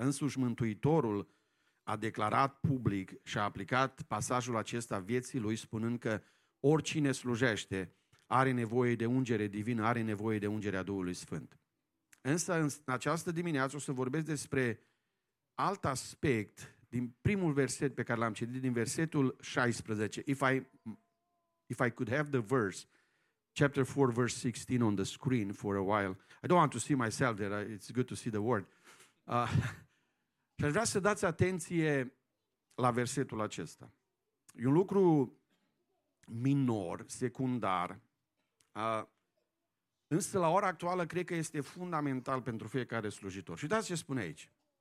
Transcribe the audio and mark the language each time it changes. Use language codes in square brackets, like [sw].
[ro] Însuși Mântuitorul a declarat public și a aplicat pasajul acesta vieții lui, spunând că oricine slujește are nevoie de ungere divină, are nevoie de ungerea Duhului Sfânt. Însă în această dimineață o să vorbesc despre alt aspect din primul verset pe care l-am citit, din versetul 16. [en] If I could have the verse, chapter 4, verse 16 on the screen for a while. I don't want to see myself there, it's good to see the word. [ro] Și aș vrea să dați atenție la versetul acesta. E un lucru minor, secundar, însă la ora actuală cred că este fundamental pentru fiecare slujitor. Și uitați ce spune aici.